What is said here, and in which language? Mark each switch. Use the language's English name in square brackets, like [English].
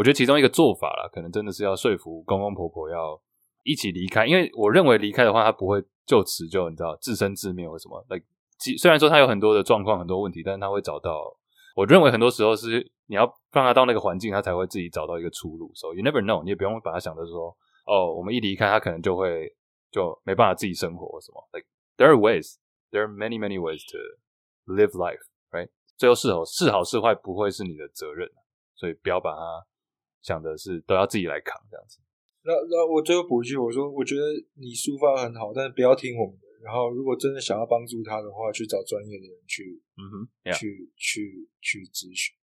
[Chinese] 我觉得其中一个做法啦，可能真的是要说服公公婆婆要一起离开，因为我认为离开的话，他不会就此就你知道自生自灭或什么。 Like， 虽然说他有很多的状况、很多问题，但是他会找到。我认为很多时候是你要让他到那个环境，他才会自己找到一个出路。 [English] So you never know， [Chinese] 你也不用把他想着说哦，我们一离开，他可能就没办法自己生活或什么。 [English] Like there are ways， there are many many ways to live life， right？ [Chinese] 最后是好是坏不会是你的责任，所以不要把他想的是都要自己来扛这样子。那我最后补一句，我说我觉得你抒发很好，但是不要听我们的。然后如果真的想要帮助他的话，去找专业的人去，去咨询。